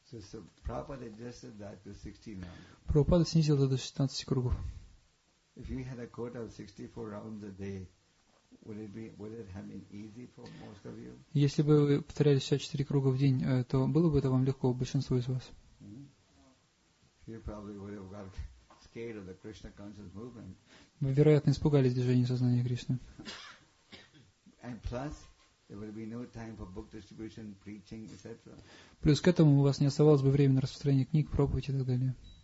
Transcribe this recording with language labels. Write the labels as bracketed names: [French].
[English] So Prabhupada adjusted that to 16 rounds. [Russian] Прабхупада снизил это до 16 кругов. [English] If we had a quota of 64 rounds a day, would it have been easy for most of you? [Russian] Если бы вы повторяли 64 круга в день, то было бы это вам легко большинству из вас? [English] You probably would have got scared of the Krishna conscious movement. [Russian] Вы, вероятно, испугались движения сознания Кришны. [English] And plus, there would be no time for book distribution, preaching, etc. [Russian] Плюс к этому у вас не оставалось бы времени на распространение книг, проповедь и так далее.